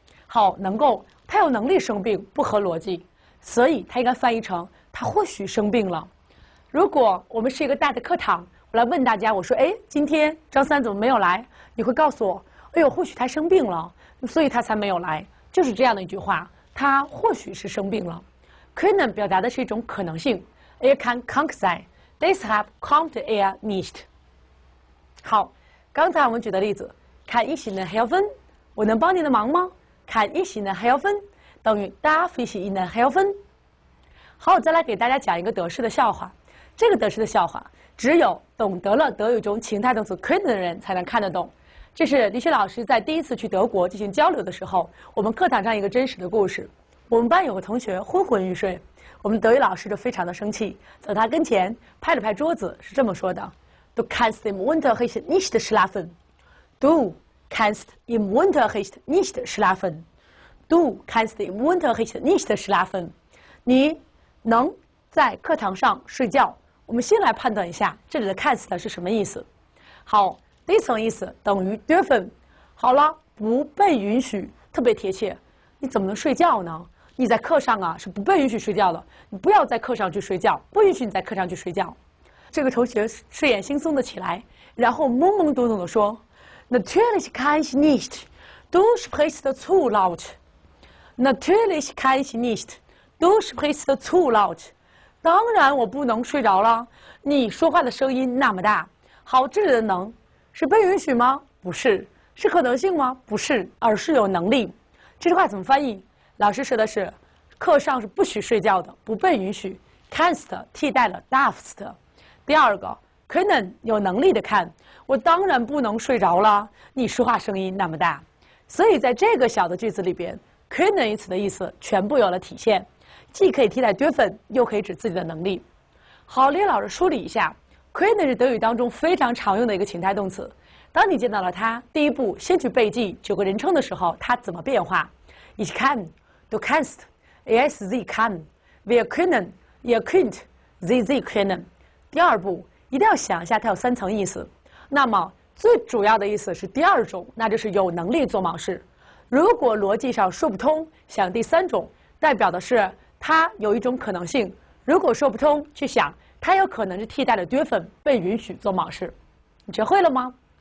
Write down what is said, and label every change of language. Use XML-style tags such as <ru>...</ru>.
<zh>好，能够，他有能力生病，不合逻辑。所以它应该翻译成他或许生病了。如果我们是一个大的课堂，我来问大家，我说哎，今天张三怎么没有来，你会告诉我哎呦，或许他生病了，所以他才没有来，就是这样的一句话，他或许是生病了。</zh> <de>können</de> <zh>表达的是一种可能性，</zh> <de>er kann krank sein， deshalb kommt er nicht。</de> <zh>好，刚才我们举的例子，</zh> <de>kann ich Ihnen helfen，</de> <zh>我能帮您的忙吗？</zh> <de>kann ich Ihnen helfen</de> <zh>等于</zh> <de>darf ich Ihnen helfen。</de> <zh>好，再来给大家讲一个德式的笑话。这个德式的笑话只有懂得了德语中情态动词 können 的人才能看得懂。这是李雪老师在第一次去德国进行交流的时候，我们课堂上一个真实的故事。我们班有个同学昏昏欲睡，我们德语老师就非常的生气，走他跟前拍了拍桌子，是这么说的，</zh> <de>Du kannst im Unterricht nicht schlafen. Du kannst im Unterricht nicht schlafen. Du kannst im Unterricht nicht schlafen.</de> <zh>你能在课堂上睡觉。我们先来判断一下这里的 cast 是什么意思。好，第一层意思等于 dürfen。好了，不被允许，特别贴切。你怎么能睡觉呢？你在课上啊是不被允许睡觉的，你不要在课上去睡觉，不允许你在课上去睡觉。这个同学睡眼惺忪的起来，然后懵懵懂懂的说</zh> <de>：“Natürlich kann ich nicht, du sprichst zu laut. Natürlich kann ich nicht, du sprichst zu laut。</de> <zh>当然我不能睡着了，你说话的声音那么大。好，这里的能是被允许吗？不是，是可能性吗？不是，而是有能力。这句话怎么翻译？老师说的是，课上是不许睡觉的，不被允许。 kannst 替代了 darfst。第二个 können 有能力的看，我当然不能睡着了。你说话声音那么大，所以在这个小的句子里边 ，können 一词的意思全部有了体现，既可以替代 dürfen， 又可以指自己的能力。好，李老师梳理一下 ，können 是德语当中非常常用的一个情态动词。当你见到了它，第一步先去背记九个人称的时候，它怎么变化？</zh> <de>Ich kann, du kannst, er, sie kann, wir können, ihr könnt, sie können。</de> <zh>第二步，一定要想一下它有三层意思。那么最主要的意思是第二种，那就是有能力做某事。如果逻辑上说不通，想第三种，代表的是它有一种可能性。如果说不通，去想它有可能是替代了 dürfen， 被允许做某事。你学会了吗？</zh>